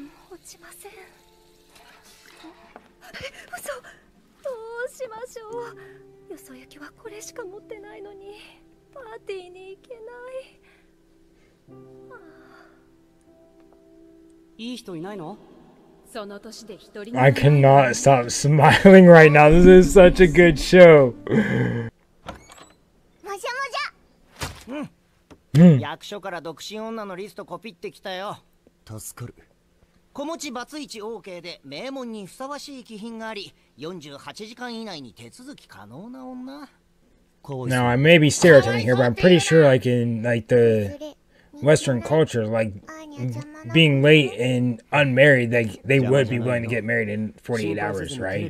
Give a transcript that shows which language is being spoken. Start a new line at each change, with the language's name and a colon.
Japanese: 落ちません。嘘、どうしましょう。よそ行きはこれしか持ってないのに、パーティーに行けない。いい人いないの？その年で一人。
English: I cannot stop smiling right now. This is such a good show.
Japanese: もじゃもじゃ。うん。役所から独身女のリストコピってきたよ。助かる。子持ちバツイチ OK で名門にふさわしい気品があり、48時間以内に手続き可能な女。
English: Now I may be stereotyping here, but I'm pretty sure like in like the Western culture, like being late and unmarried, they would be willing to get married in 48 hours, right?